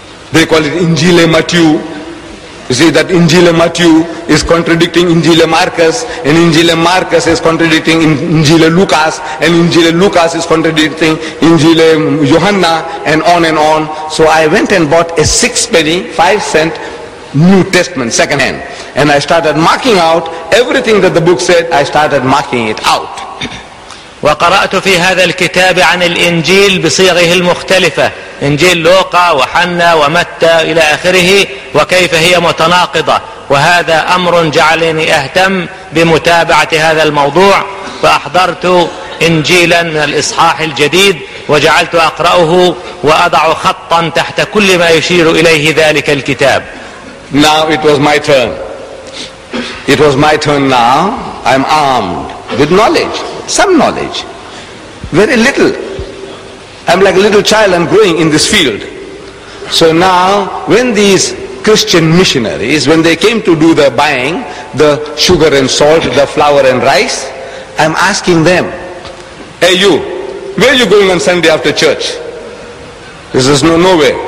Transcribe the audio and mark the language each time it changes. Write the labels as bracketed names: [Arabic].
[English] They call it Injile Matthew. You see that Injile Matthew is contradicting Injile Marcus, and Injile Marcus is contradicting Injile Lucas, and Injile Lucas is contradicting Injile Johanna, and on and on. So I went and bought a 6 penny, 5 cent New Testament, second hand. And I started marking out everything that the book said, I started marking it out. [Arabic] وقرأت في هذا الكتاب عن الإنجيل بصيغه المختلفة إنجيل لوقا وحنا ومتى إلى آخره وكيف هي متناقضة وهذا أمر جعلني أهتم بمتابعة هذا الموضوع فأحضرت إنجيلا من الإصحاح الجديد وجعلت أقرأه وأضع خطا تحت كل ما يشير إليه ذلك الكتاب. [English] Now it was my turn. It was my turn now. I'm armed with knowledge. Some knowledge. Very little. I'm like a little child, I'm growing in this field. So now, when these Christian missionaries, when they came to do the buying, the sugar and salt, the flour and rice, I'm asking them, hey you, where are you going on Sunday after church? He says, no, nowhere.